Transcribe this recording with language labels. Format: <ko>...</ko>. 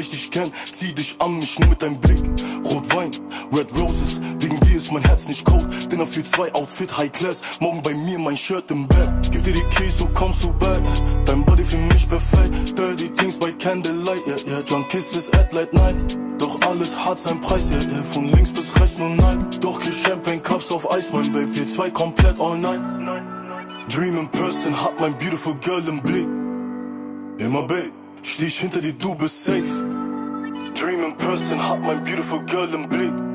<de>kenn, zieh dich an mich nur mit deinem Blick. Rotwein, Red Roses, wegen dir ist mein Herz nicht cold. Dinner für zwei, Outfit High Class, morgen bei mir mein Shirt im Bett. Gib dir die Keys, so kommst du back. Dein Body für mich perfekt.</de> <en>Dirty Things by Candlelight, yeah, yeah. Drunk Kisses at late night.</en> <de>Doch alles hat seinen Preis, yeah, yeah. Von links bis rechts nur nein. Doch kein Champagne, Cups auf Eis, mein Babe, wir zwei komplett all night.</de> <en>Dream in person,</en> <de>hat mein beautiful girl im Blick. Immer Babe, steh ich hinter dir, du bist safe.</de> <en>Dream in person,</en> <de>hat mein beautiful girl im Blick.</de>